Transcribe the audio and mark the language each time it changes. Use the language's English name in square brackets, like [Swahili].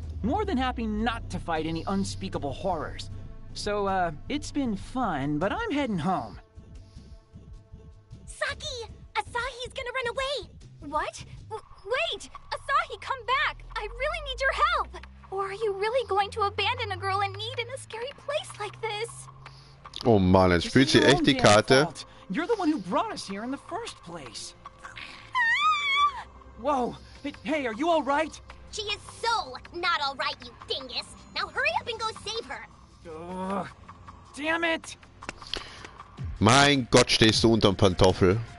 [English] More than happy not to fight any unspeakable horrors. So, it's been fun, but I'm heading home. Saki! Asahi's gonna run away! What? Wait! Asahi, come back! I really need your help! Or are you really going to abandon a girl in need in a scary place like this? [German] Oh man, jetzt spielt sie echt die Karte. [English] You're the one who brought us here in the first place. Whoa! Hey, are you alright? She is so not alright, you dingus! Now hurry up and go save her! Damn it! [German] Mein Gott, stehst du unterm Pantoffel.